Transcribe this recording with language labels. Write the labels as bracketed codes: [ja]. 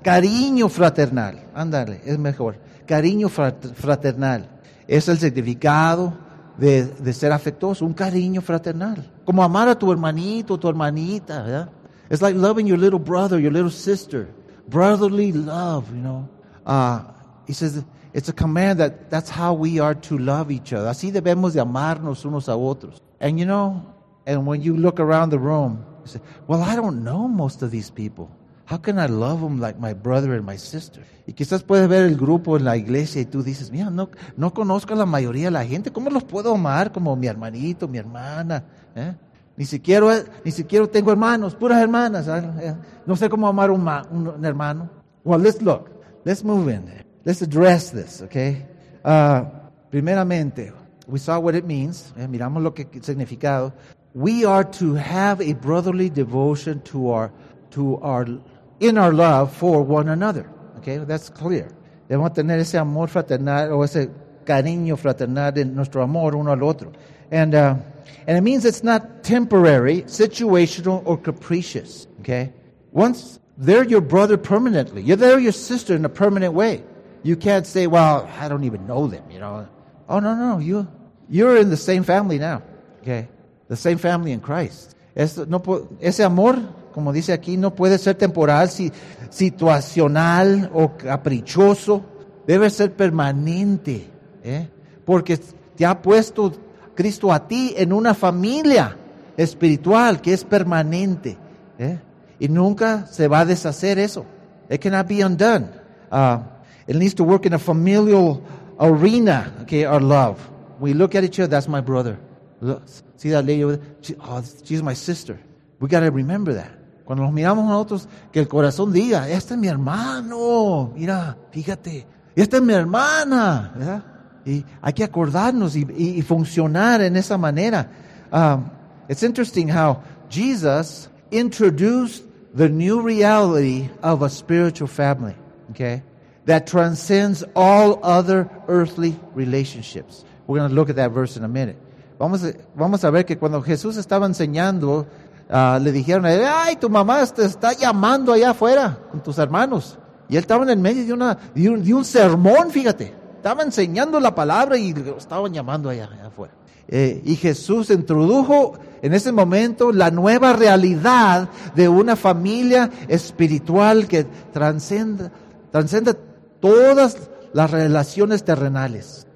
[es] Cariño fraternal. Ándale, es mejor. Cariño fraternal. Es el significado de ser afectuoso, un cariño fraternal. Como amar a tu hermanito, tu hermanita, ¿verdad? [en] It's like loving your little brother, your little sister. Brotherly love, you know. He says, it's a command that's how we are to love each other. [es] Así debemos de amarnos unos a otros. [en] And you know, and when you look around the room, you say, well, I don't know most of these people. How can I love them like my brother and my sister? [es] Y quizás puedes ver el grupo en la iglesia y tú dices, mira, no conozco a la mayoría de la gente. ¿Cómo los puedo amar como mi hermanito, mi hermana? Ni siquiera tengo hermanos, puras hermanas. No sé cómo amar un hermano. [en] Well, let's look. Let's move in. Let's address this, okay? Primeramente, we saw what it means. [es] Miramos lo que el significado. [en] We are to have a brotherly devotion in our love for one another. Okay, that's clear. [es] Debemos tener ese amor fraternal o ese cariño fraternal en nuestro amor uno al otro. [en] And it means it's not temporary, situational, or capricious. Okay? Once they're your brother permanently, they're your sister in a permanent way. You can't say, well, I don't even know them, you know. Oh, no. You're in the same family now. Okay? The same family in Christ. [es] Ese amor, como dice aquí, no puede ser temporal, situacional o caprichoso. Debe ser permanente, ¿eh? Porque te ha puesto Cristo a ti en una familia espiritual que es permanente, ¿eh? Y nunca se va a deshacer eso. [en] It cannot be undone. It needs to work in a familial arena, okay, our love. We look at each other, that's my brother. Look, see that lady over there? She's my sister. We got to remember that. [es] Cuando nos miramos a otros, que el corazón diga, este es mi hermano. Mira, fíjate. Esta es mi hermana. ¿Verdad? Y hay que acordarnos y funcionar en esa manera. [en] It's interesting how Jesus introduced the new reality of a spiritual family, okay, that transcends all other earthly relationships. We're going to look at that verse in a minute. [es] Vamos a ver que cuando Jesús estaba enseñando, le dijeron a él, ay, tu mamá te está llamando allá afuera con tus hermanos. Y él estaba en el medio de un sermón, fíjate. Estaba enseñando la palabra y lo estaban llamando allá afuera. Y Jesús introdujo en ese momento la nueva realidad de una familia espiritual que transcende todas las relaciones terrenales.